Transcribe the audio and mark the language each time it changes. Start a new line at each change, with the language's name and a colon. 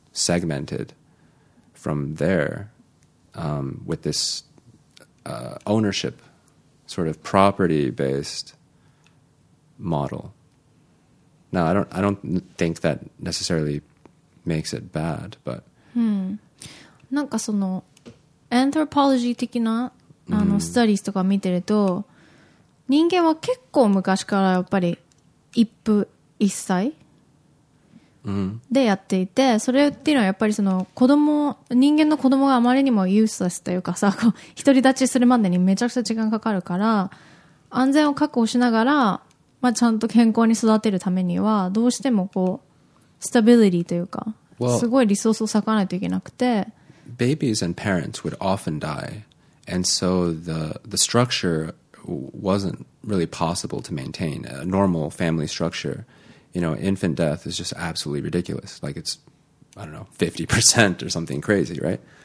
English: Segmented from there with this ownership, sort of property-based model. Now, I don't think that necessarily makes it bad, but...
Japanese: なんかそのアントロポロジー的なあのスタディーズとか見てると、人間は結構昔からやっぱり一夫一妻でやっていて、それっていうのはやっぱりその子供、人間の子供があまりにもユースレスというかさ、こう独り立ちするまでにめちゃくちゃ時間かかるから、安全を確保しながら、まあ、ちゃんと健康に育てるためにはどうしてもこうスタビリティというかすごいリソースを割かないといけなくて、
English: babies and parents would often die, and so the structure wasn't really possible to maintain a normal family structure. You know, infant death is just absolutely ridiculous, like it's, I don't know, 50% or something crazy, right?